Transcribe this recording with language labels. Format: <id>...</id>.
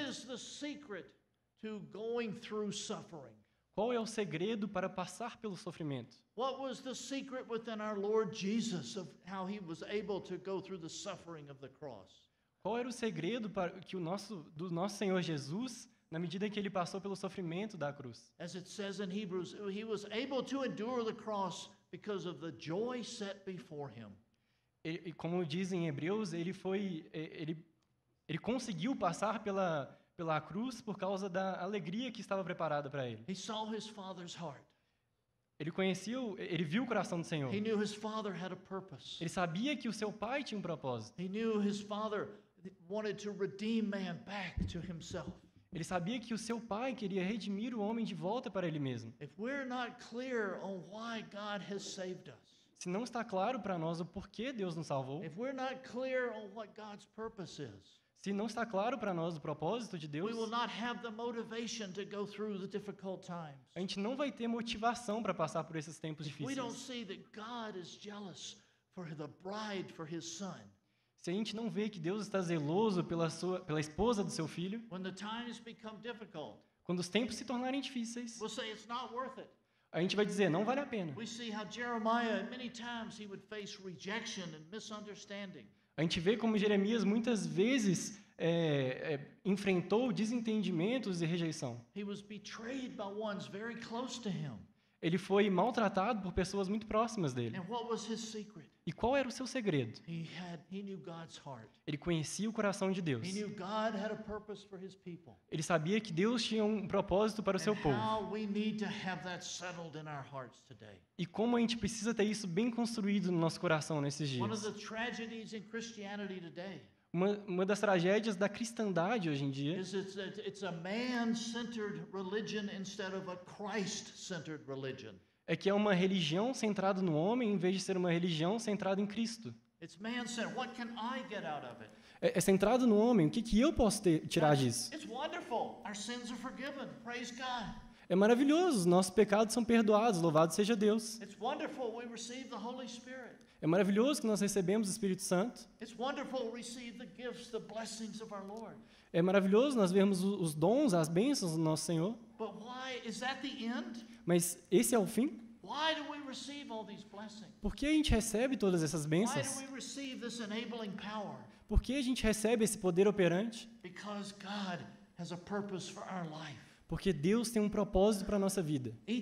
<en>What is the secret to going through suffering?</en> <pt>Qual é o segredo para passar pelo sofrimento?</pt> <en>What was the secret within our Lord Jesus of how he was able to go through the suffering of the cross?</en> <pt>Qual era o segredo para que do nosso Senhor Jesus, na medida em que ele passou pelo sofrimento da cruz?</pt> <en>As it says in Hebrews, he was able to endure the cross because of the joy set before him.</en> <pt>E como dizem em Hebreus, ele conseguiu passar pela cruz por causa da alegria que estava preparada para ele.</pt> <en>He saw his father's heart.</en> <pt>Ele viu o coração do Senhor.</pt> <en>He knew his father had a purpose.</en> <pt>Ele sabia que o seu pai tinha um propósito.</pt> <en>He knew his father wanted to redeem man back to himself.</en> <pt>Ele sabia que o seu pai queria redimir o homem de volta para ele mesmo.</pt> <en>If we're not clear on why God has saved us,</en> <pt>se não está claro para nós o porquê Deus nos salvou,</pt> <en>if we're not clear on what God's purpose is,</en> <pt>se não está claro para nós o propósito de Deus,</pt> <en>we will not have the motivation to go through the difficult times.</en> <pt>A gente não vai ter motivação para passar por esses tempos difíceis.</pt> <en>If we don't see that God is jealous for the bride for his son,</en> <pt>se a gente não vê que Deus está zeloso pela esposa do seu filho,</pt> <en>when the times become difficult,</en> <pt>quando os tempos se tornarem difíceis,</pt> <en>we'll say it's not worth it.</en> <pt>A gente vai dizer, não vale a pena.</pt> <en>We see how Jeremiah, many times he would face rejection and misunderstanding.</en> <pt>A gente vê como Jeremias muitas vezes enfrentou desentendimentos e rejeição.</pt> <en>He was betrayed by ones very close to him.</en> <pt>Ele foi maltratado por pessoas muito próximas dele.</pt> <en>And what was his secret?</en> <pt>E qual era o seu segredo?</pt> <en>He knew God's heart.</en> <pt>Ele conhecia o coração de Deus.</pt> <en>He knew God had a purpose for his people.</en> <pt>Ele sabia que Deus tinha um propósito para o seu povo.</pt> <en>How we need to have that settled in our hearts today.</en> <pt>E como a gente precisa ter isso bem construído no nosso coração nesses dias.</pt> <en>One of the tragedies in Christianity today,</en> <pt>uma das tragédias da cristandade hoje em dia,</pt> <en>is it's a man-centered religion instead of a Christ-centered religion.</en> <pt>É que é uma religião centrada no homem em vez de ser uma religião centrada em Cristo.</pt> <en>It's man-centered. What can I get out of it?</en> <pt>É centrado no homem. O que eu posso tirar disso?</pt> <en>It's wonderful. Our sins are forgiven. Praise God.</en> <pt>É maravilhoso. Nossos pecados são perdoados. Louvado seja Deus.</pt> <en>It's wonderful. We receive the Holy Spirit.</en> <pt>É maravilhoso que nós recebemos o Espírito Santo.</pt> <en>It's wonderful to receive the gifts, the blessings of our Lord.</en> <pt>É maravilhoso nós vermos os dons, as bênçãos do nosso Senhor.</pt> <en>But why is that the end?</en> <pt>Mas esse é o fim?</pt> <en>Why do we receive all these blessings?</en> <pt>Por que a gente recebe todas essas bênçãos?</pt> <en>Why do we receive this enabling power?</en> <pt>Por que a gente recebe esse poder operante?</pt> <en>Because God has a purpose for our life.</en> <pt>Porque Deus tem um propósito para a nossa vida.</pt>